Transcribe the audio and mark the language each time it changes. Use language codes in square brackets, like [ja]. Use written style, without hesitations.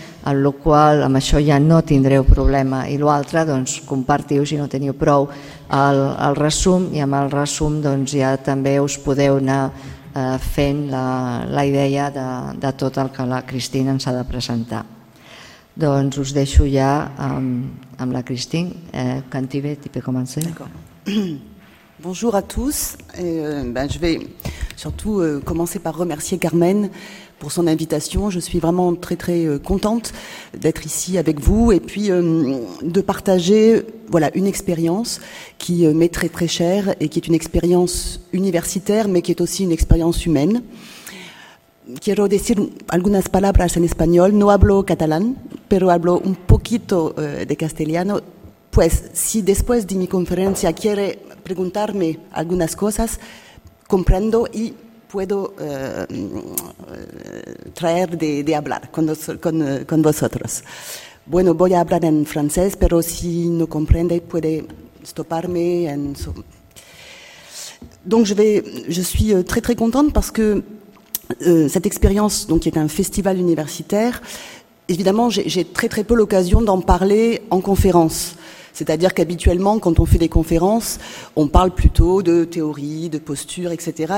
[ca] amb la qual cosa amb això ja no tindreu problema, i l'altre doncs, compartiu si no teniu prou el resum, i amb el resum doncs, ja també us podeu anar fent la idea de tot el que la Cristina ens ha de presentar. Doncs us deixo ja amb la Cristina. [fr] Cantive, tu peux commencer. Bonjour à tous. Je vais surtout commencer par remercier Carmen pour son invitation. Je suis vraiment très très contente d'être ici avec vous et puis de partager voilà une expérience qui m'est très très chère et qui est une expérience universitaire mais qui est aussi une expérience humaine. [es] Quiero decir algunas palabras en español. No hablo catalán, pero hablo un poquito de castellano. Pues si después de mi conferencia quiere preguntarme algunas cosas, comprendo y puedo traer de hablar con vosotros. Bueno, voy a hablar en francés, pero si no comprende, puede stoparme. [fr] Donc je suis très très contente parce que cette expérience, donc, qui est un festival universitaire, évidemment, j'ai très très peu l'occasion d'en parler en conférence. C'est-à-dire qu'habituellement, quand on fait des conférences, on parle plutôt de théorie, de posture, etc.